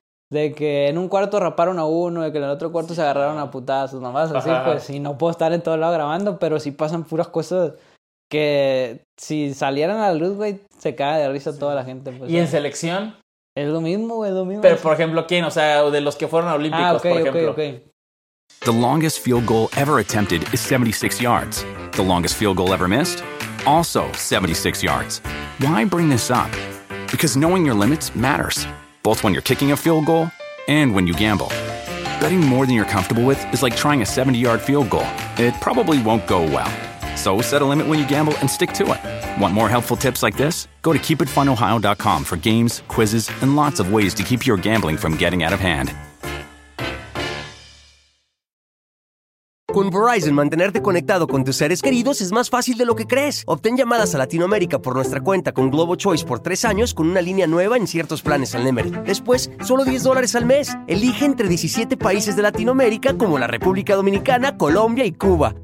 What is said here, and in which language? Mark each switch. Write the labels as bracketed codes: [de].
[es] De que en un cuarto raparon a uno, de que en el otro cuarto se agarraron a putadas sus mamás. Así, pues, y no puedo estar en todos lados grabando, pero sí pasan puras cosas... Que si salieran a la luz, güey, se cae de risa toda la gente. Pues, ¿y en selección? Es lo mismo, güey, es lo mismo. Pero, por ejemplo, ¿quién? O sea, de los que fueron a Olímpicos, [en] The longest field goal ever attempted is 76 yards. The longest field goal ever missed? Also 76 yards. Why bring this up? Because knowing your limits matters, both when you're kicking a field goal and when you gamble. Betting more than you're comfortable with is like trying a 70-yard field goal. It probably won't go well. So set a limit when you gamble and stick to it. Want more helpful tips like this? Go to keepitfunohio.com for games, quizzes, and lots of ways to keep your gambling from getting out of hand. [es] Con Verizon, mantenerte conectado con tus seres queridos es más fácil de lo que crees. Obtén llamadas a Latinoamérica por nuestra cuenta con Globo Choice por 3 años con una línea nueva en ciertos planes al Nemery. Después, solo $10 al mes. Elige entre 17 países de Latinoamérica como la República Dominicana, Colombia y Cuba.